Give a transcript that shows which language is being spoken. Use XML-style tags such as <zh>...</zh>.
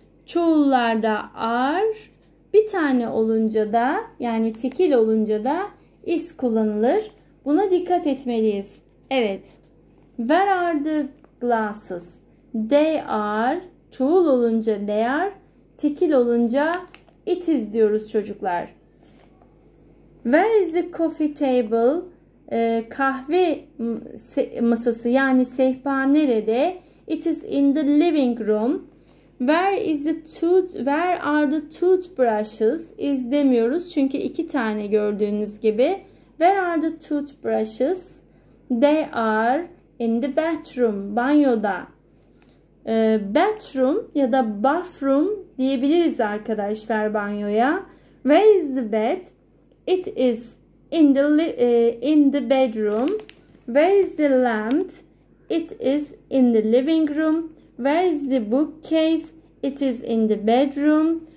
<tr>Çoğullarda are bir tane olunca da yani tekil olunca da is kullanılır. Buna dikkat etmeliyiz. Evet.</tr> <en>Where are the glasses? They are.</en> <tr>Çoğul olunca</tr> <en>they are.</en> <tr>Tekil olunca</tr> <en>it is</en> <tr>diyoruz çocuklar.</tr> <en>Where is the coffee table?</en> <tr>Kahve masası yani sehpa nerede?</tr> <en>It is in the living room. Where are the toothbrushes?</en> <tr>İzlemiyoruz çünkü iki tane gördüğünüz gibi.</tr> <en>Where are the toothbrushes? They are in the bathroom.</en> <tr>Banyoda.</tr> <en>Bathroom ya da bathroom</en> <tr>diyebiliriz arkadaşlar banyoya.</tr> <en>Where is the bed? It is in the bedroom. Where is the lamp? It is in the living room. Where is the bookcase? It is in the bedroom.</en>